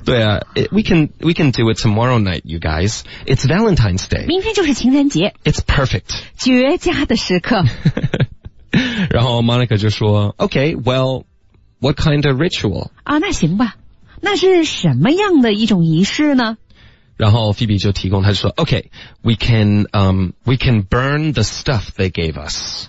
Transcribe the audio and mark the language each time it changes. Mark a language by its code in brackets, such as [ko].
[zh] 对啊 [en] we can do it tomorrow night you guys it's Valentine's Day [zh] 明天就是情人节 [en] it's perfect [zh] 绝佳的时刻然后 Monica 就说 [en] OK well what kind of ritual [zh] 啊，那行吧那是什么样的一种仪式呢然后 Phoebe 就提供，他就说 [en] OK, we can burn the stuff they gave us.